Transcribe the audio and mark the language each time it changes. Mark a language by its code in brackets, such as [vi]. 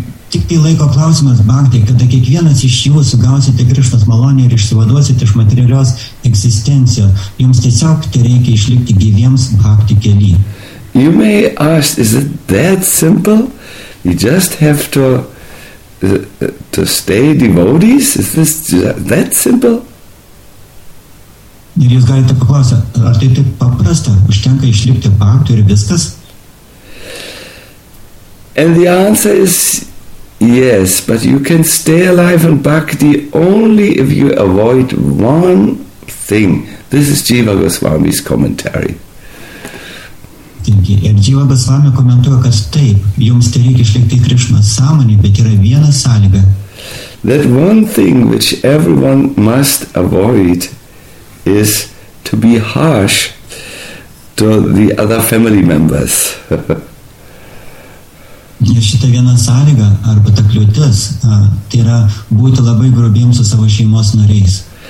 [lt] Tik tai laiko klausimas bhakti, kada kiekvienas iš jūsų gausite Krišnos malonę ir išsivaduosite iš materialios egzistencijos, jums tiesiog reikia išlikti gyviems bhakti keli. [en] You may ask, is it that simple? You just have to stay devotees? Is this that simple? [lt] Ir jūs galite paklausyti, ar tai taip paprasta, užtenka išlikti bhakti ir viskas? [en] And the answer is yes, but you can stay alive in bhakti only if you avoid one thing. This is Jiva Goswami's commentary. [lt] Ir Jiva Goswami komentuoja, kad taip, jums reikia išlikti Krišnos sąmonį, bet yra viena sąlyga. [en] That one thing which everyone must avoid is to be harsh to the other family members. [lt] Ir šita viena sąlyga, arba ta kliūtis, tai yra būti labai grubiems su savo šeimos nariais.